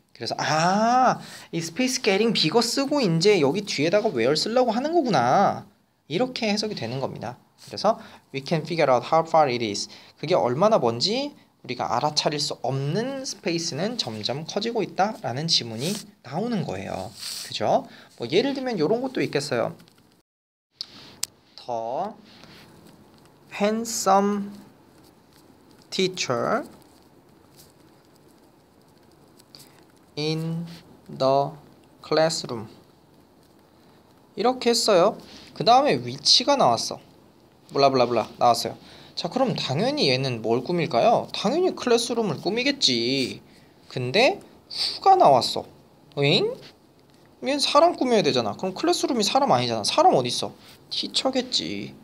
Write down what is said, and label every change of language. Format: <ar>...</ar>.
<ko>그래서 아, 이 스페이스 게링 비거 쓰고 이제 여기 뒤에다가 웨어 쓰려고 하는 거구나. 이렇게 해석이 되는 겁니다. 그래서</ko> <en>we can figure out how far it is.</en> <ko>그게 얼마나 먼지 우리가 알아차릴 수 없는 스페이스는 점점 커지고 있다라는 지문이 나오는 거예요. 그죠? 뭐 예를 들면 이런 것도 있겠어요.</ko> <en>The handsome teacher in the classroom</en> <ko>이렇게 했어요. 그 다음에 위치가 나왔어. 블라블라블라 나왔어요. 자, 그럼 당연히 얘는 뭘 꾸밀까요? 당연히 클래스룸을 꾸미겠지. 근데 후가 나왔어. 응? 얘는 사람 꾸며야 되잖아. 그럼 클래스룸이 사람 아니잖아. 사람 어딨어? 티처겠지.</ko>